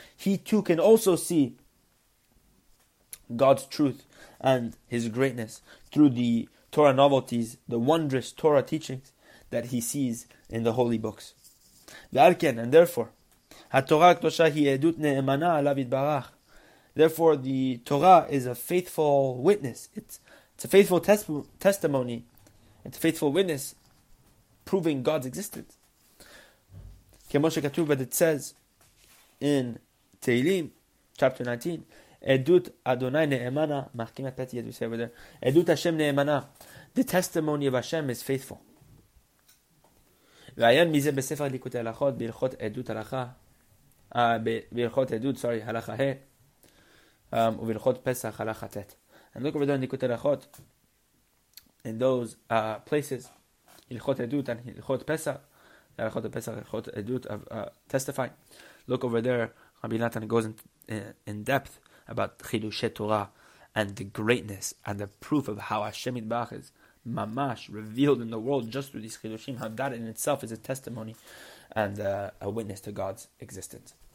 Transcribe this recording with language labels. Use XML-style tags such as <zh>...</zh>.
<en>He too can also see God's truth and His greatness through the Torah novelties, the wondrous Torah teachings that he sees in the holy books.</en> <he>ועל כן,</he> <en>and therefore,</en> <he>התורה הקדושה היא עדות נאמנה עליו יתברך.</he> <en>Therefore, the Torah is a faithful witness. It's a faithful testimony. It's a faithful witness proving God's existence.</en> <he>כמו שכתוב,</he> <en>but it says in Tehilim, chapter 19,</en> <he>עדות אדוני נאמנה, מחכים את פתי,</he> <en>as we say over there,</en> <he>עדות השם נאמנה.</he> <en>The testimony of Hashem is faithful.</en> <he>ועיין מזה בספר ליקוטי הלכות, בהלכות עדות הלכה, בהלכות עדות,</he> <en>sorry,</en> <he>הלכה ה', ובהלכות פסח, הלכה ת'.</he> <en>And look over there in ליקוטי הלכות, in those places, הלכות עדות, and הלכות פסח, הלכות הפסח, הלכות עדות, testify. Look over there, Rabbi Nathan goes in depth about חידושי תורה, and the greatness, and the proof of how Hashem Yitbarach is mamash, revealed in the world just through these chidushim, how that in itself is a testimony and a witness to God's existence.</en>